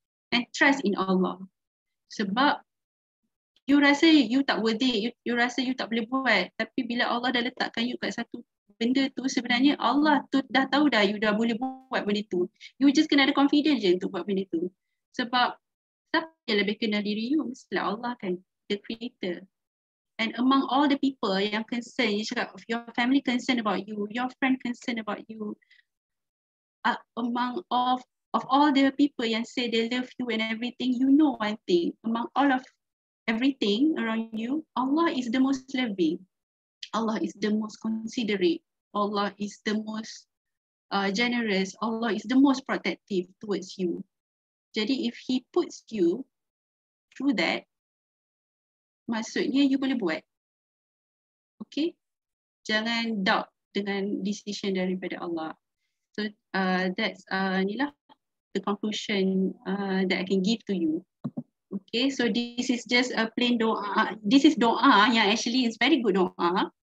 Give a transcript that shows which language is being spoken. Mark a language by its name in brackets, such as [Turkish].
[English] And trust in Allah. [Malay] Sebab you rasa you tak worthy, you rasa you tak boleh buat. Tapi bila Allah dah letakkan you kat satu benda tu, sebenarnya Allah tu dah tahu dah you dah boleh buat benda tu. You just kena ada confidence je untuk buat benda tu. Sebab siapa yang lebih kenal diri you? Mestilah Allah kan, the creator. [English] And among all the people yang concern, you cakap your family concern about you, your friend concern about you, among of all the people yang say they love you and everything, you know one thing, among all of everything around you, Allah is the most loving. Allah is the most considerate. Allah is the most generous. Allah is the most protective towards you. Jadi if he puts you through that, [Malay] maksudnya you boleh buat. [English] Okay? [Malay] Jangan doubt dengan decision daripada Allah. [English] So that's inilah the conclusion that I can give to you. Okay, so this is just a plain doa. This is doa yang actually is very good doa.